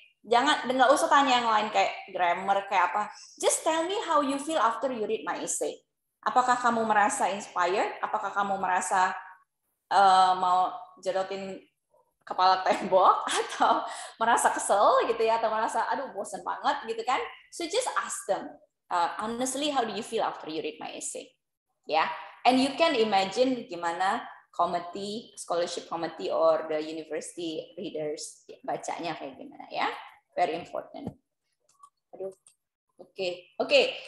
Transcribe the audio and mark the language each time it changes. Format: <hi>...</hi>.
<id>Jangan, nggak usah tanya yang lain kayak grammar, kayak apa.</id> <en>Just tell me how you feel after you read my essay.</en> <id>Apakah kamu merasa inspired? Apakah kamu merasa mau jerotin kepala tembok? Atau merasa kesel gitu ya? Atau merasa, aduh, bosan banget gitu kan?</id> <en>So just ask them, honestly, how do you feel after you read my essay? Ya? Yeah? And you can imagine</en> <id>gimana</id> <en>committee, scholarship committee, or the university readers</en> <id>bacanya kayak gimana ya.</id> <en>Very important.</en> <id>Aduh.</id> <en>Okay.</en>